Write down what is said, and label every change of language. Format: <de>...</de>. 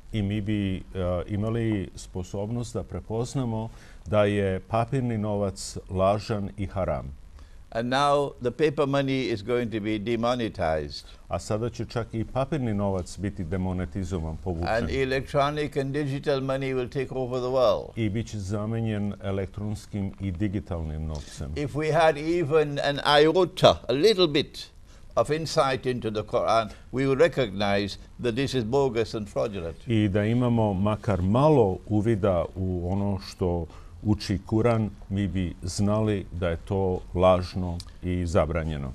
<sr>I mi bi imali sposobnost da prepoznamo da je papirni novac lažan i haram.</sr> <en>And now the paper money is going to be demonetized.</en> <sr>A sada će čak i papirni novac biti demonetizovan, povučen.</sr> <en>And electronic and digital money will take over the world.</en> <sr>I biće zamenjen elektronskim i digitalnim novcem.</sr> <en>If we had even an iota, a little bit of insight into the Quran, we would recognize that this is bogus and fraudulent.</en> <sr>I da imamo makar malo uvida u ono što uči Kur'an, mi bi znali da je to lažno i zabranjeno.</sr>